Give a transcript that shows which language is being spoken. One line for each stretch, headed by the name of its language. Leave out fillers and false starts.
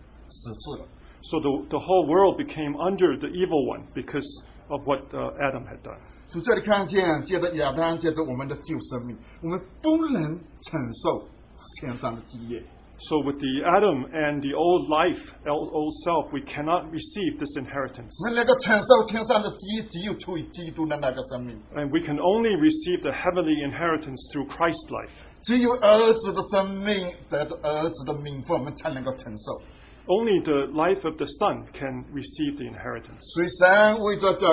English: So the whole world became under the evil one because of what Adam had done.
Chinese: 从这里看见，借着亚当，借着我们的旧生命，我们不能承受天上的基业。
English: So with the Adam and the old life, old self, we cannot receive this inheritance. And we can only receive the heavenly inheritance through Christ's life. Only the life of the Son can receive the inheritance.